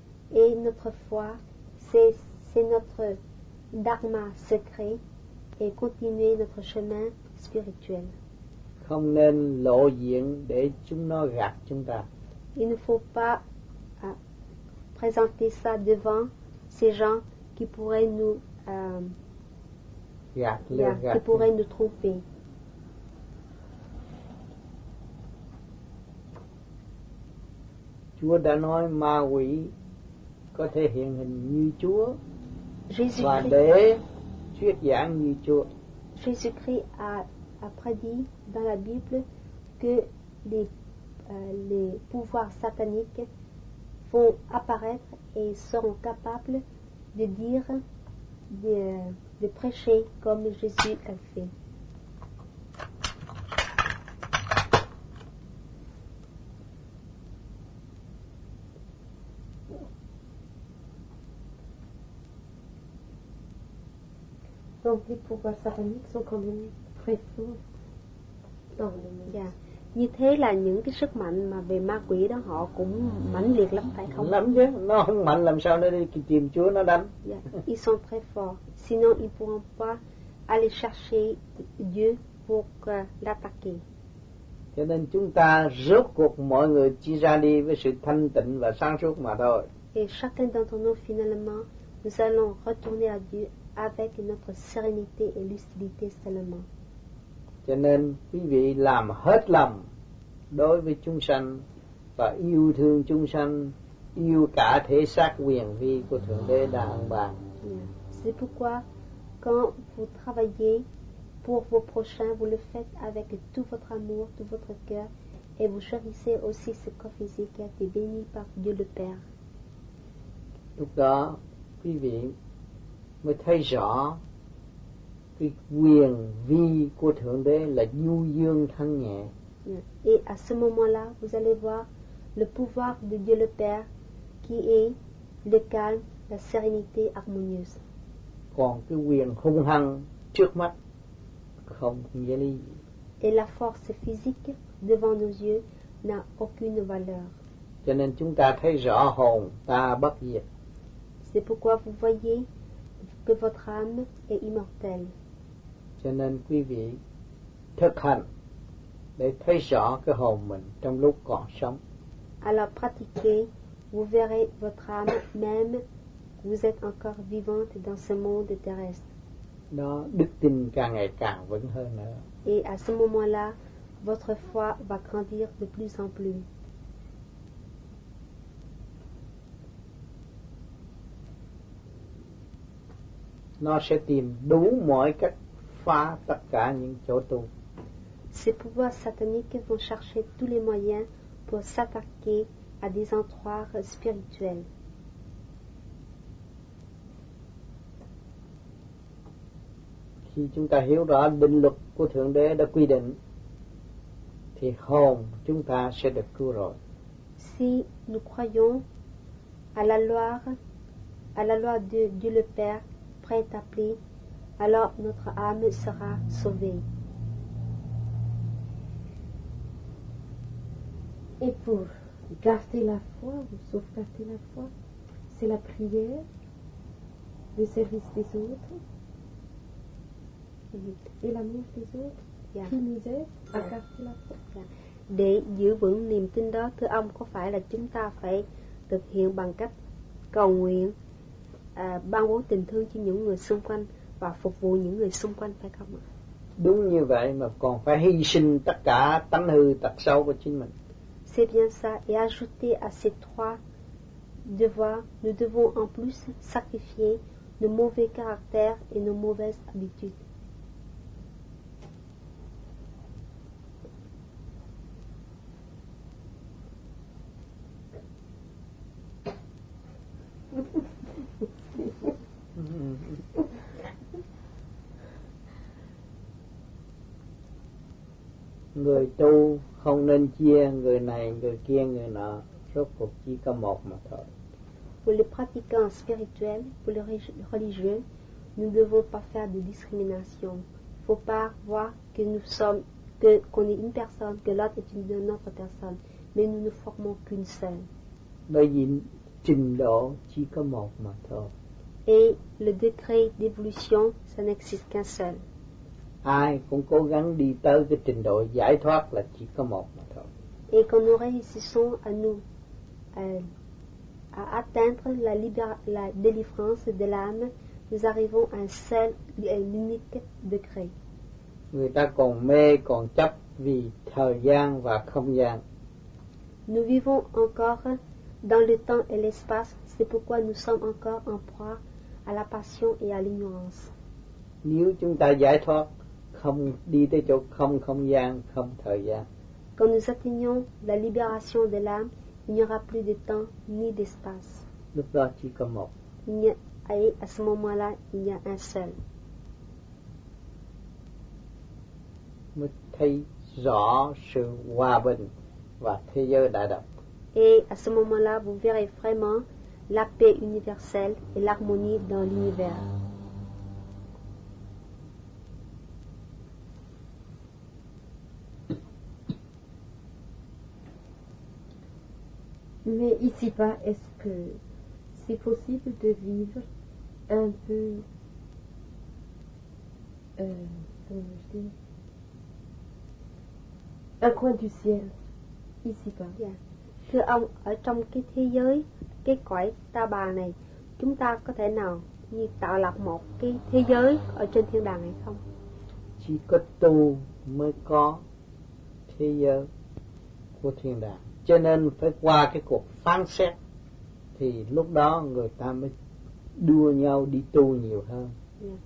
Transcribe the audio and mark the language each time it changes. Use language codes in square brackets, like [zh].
[fr] Et notre foi, c'est notre dharma secret et continuer notre chemin spirituel. [vi] Không nên lộ diện để chúng nó gạt chúng ta. [fr] Il ne faut pas présenter ça devant ces gens qui pourraient nous gâte. Qui pourraient nous tromper. [vi] Chúa đã nói ma quỷ có thể hiện hình như Chúa Jésus và để thuyết giảng như Chúa. [fr] Jésus-Christ a prédit dans la Bible que les pouvoirs sataniques vont apparaître et seront capables de dire, de prêcher comme Jésus a fait. Donc les pouvoirs sataniques sont quand même très forts dans le monde. [en] Yeah. [vi] Như thế là những cái sức mạnh mà về ma quỷ đó họ cũng mãnh liệt lắm phải không? Lắm chứ, nó không mạnh làm sao nó đi tìm Chúa nó đánh. [en] Yeah. [fr] Ils sont très forts, sinon ils pourront pas aller chercher Dieu pour l'attaquer. [vi] Cho nên chúng ta rốt cuộc mọi người chỉ ra đi với sự thanh tịnh và sáng suốt mà thôi. [fr] Et chacun d'entre nous finalement, nous allons retourner à Dieu avec notre sérénité et lucidité seulement. [vi] Cho nên quý vị làm hết lòng đối với chúng sanh và yêu thương chúng sanh, yêu cả thể xác quyền vi của Thượng Đế Đà Hằng Bàn. [fr] C'est pourquoi quand vous travaillez pour vos prochains, vous le faites avec tout votre amour, tout votre cœur, et vous chérissez aussi ce corps physique qui a été béni par Dieu le Père. [vi] Lúc đó quý vị mới thấy rõ cái quyền vi của Thượng Đế là du dương thanh nhẹ. [fr] Et à ce moment-là, vous allez voir le pouvoir de Dieu le Père qui est le calme, la sérénité harmonieuse. [vi] Còn cái quyền hung hăng trước mắt không nghĩa lý. [fr] Et la force physique devant nos yeux n'a aucune valeur. [vi] Cho nên chúng ta thấy rõ hồn ta bất diệt. [fr] C'est pourquoi vous voyez que votre âme est immortelle. [vi] Cho nên quý vị thực hành để thấy rõ cái hồn mình trong lúc còn sống. [fr] Alors pratiquez, vous verrez votre âme même vous êtes encore vivante dans ce monde terrestre. [vi] Đó, đức tin càng ngày càng vững hơn nữa. [fr] Et à ce moment-là, votre foi va grandir de plus en plus. [vi] Nó sẽ tìm đủ mọi cách phá tất cả những chỗ tù. [fr] Ces pouvoirs sataniques vont chercher tous les moyens pour s'attaquer à des endroits spirituels. [vi] Khi chúng ta hiểu rõ định luật của Thượng Đế đã quy định, thì hồn chúng ta sẽ được cứu rồi. [fr] Si nous croyons à la loi de Dieu le Père, est appelé, alors notre âme sera sauvée. Et pour garder la foi, ou sauvegarder la foi, c'est la prière, le service des autres, mm-hmm. et l'amour des autres [en] yeah. [fr] qui nous aident à garder la foi. [en] Yeah. [vi] Để giữ vững niềm tin đó, thưa ông, có phải là chúng ta phải thực hiện bằng cách cầu nguyện, ban bố tình thương cho những người xung quanh và phục vụ những người xung quanh phải không ạ? Đúng như vậy, mà còn phải hy sinh tất cả tánh hư tật xấu của chính mình. [fr] C'est bien ça. Et ajouter à ces trois devoirs, nous devons en plus sacrifier nos mauvais caractères et nos mauvaises habitudes. [vi] Người tu không nên chia người này, người kia, người nọ, rốt cuộc chỉ có một mà thôi. [fr] Pour les pratiquants spirituels, pour les religieux, nous ne devons pas faire de discrimination. Faut pas voir que nous sommes, qu'on est une personne, que l'autre est une autre personne, mais nous ne formons qu'une seule. [vi] Bởi vì trình độ chỉ có một mà thôi. [fr] Et le degré d'évolution, ça n'existe qu'un seul. [vi] Ai cũng cố gắng đi tới cái trình độ giải thoát là chỉ có một mà thôi. [fr] Et quand nous réussissons à nous à atteindre la délivrance de l'âme, nous arrivons à un seul et unique degré. [vi] Người ta còn mê còn chấp vì thời gian và không gian. [fr] Nous vivons encore dans le temps et l'espace, c'est pourquoi nous sommes encore en proie à la passion et à l'ignorance. [vi] Nếu chúng ta giải thoát không đi tới chỗ không không gian, không thời gian. [fr] Quand nous atteignons la libération de l'âme, il n'y aura plus de temps ni d'espace. [vi] Lúc đó chỉ có một. [fr] Et à ce moment-là, il n'y a un seul. [vi] Mới thấy rõ sự hòa bình và thế giới đại đồng. [fr] Et à ce moment-là, vous verrez vraiment la paix universelle et l'harmonie dans l'univers. Mais ici-bas, est-ce que c'est possible de vivre un peu, comment je dis, un coin du ciel, ici-bas? [en] Yeah. [vi] Thưa ông, ở trong cái thế giới, cái cõi ta bà này, chúng ta có thể nào như tạo lập một cái thế giới ở trên thiên đàng hay không? Chỉ có tu mới có thế giới của thiên đàng. Cho nên phải qua cái cuộc phán xét thì lúc đó người ta mới đua nhau đi tu nhiều hơn. [en] Yeah.